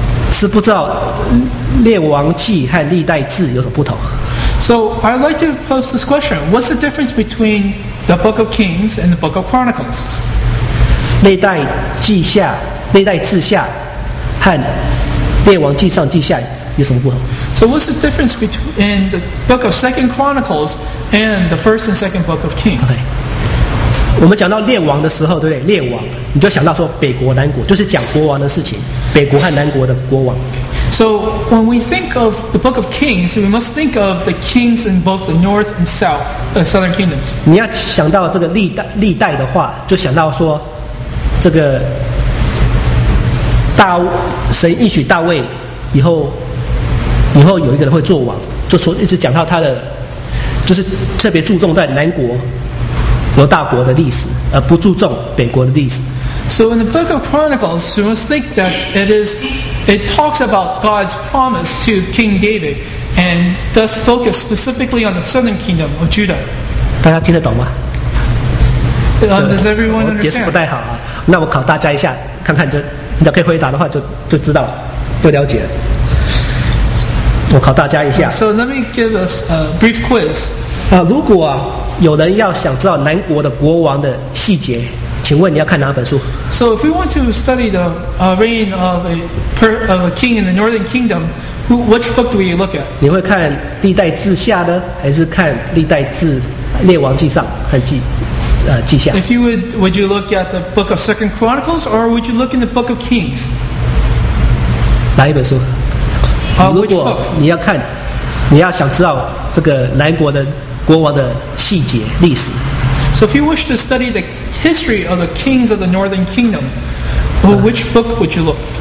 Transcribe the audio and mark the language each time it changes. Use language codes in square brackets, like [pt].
[zh] 是不知道列王记和历代志有什么不同。 [en] So I'd like to pose this question: What's the difference between the book of Kings and the book of Chronicles? [zh] 历代记下、历代志下和列王记上记下有什么不同？ [en] So what's the difference between the book of 2 Chronicles and the first and second book of Kings? Okay. [zh] 我们讲到列王的时候，对不对？列王，你就想到说北国南国，就是讲国王的事情，北国和南国的国王。 [en] So when we think of the book of Kings, we must think of the kings in both the north and south, southern kingdoms. [zh] 你要想到这个历代的话，就想到说这个神应许大卫以后有一个人会做王，就说一直讲到他的，就是特别注重在南国犹大国的历史，而不注重北国的历史。 [en] So in the book of Chronicles, you must think that it talks about God's promise to King David, and thus focus specifically on the southern kingdom of Judah. [zh] 大家听得懂吗？ [en] Does everyone understand? [zh] 解释不太好啊，那我考大家一下，看看你可以回答的话就知道了，不了解了。我考大家一下。 [en] So let me give us a brief quiz. [zh] 如果有人要想知道南国的国王的细节，请问你要看哪本书 [en] ？So if we want to study the reign of a king in the Northern Kingdom, which book do we look at? [zh] 你会看历代志下呢，还是看历代志列王记上和记下 [en] ？If you would you look at the book of Second Chronicles or would you look in the book of Kings? [zh] 哪一本书？如果你要看，你要想知道这个南国的国王的细节历史。 [en] So if you wish to study the history of the kings of the Northern Kingdom, well, which book would you look?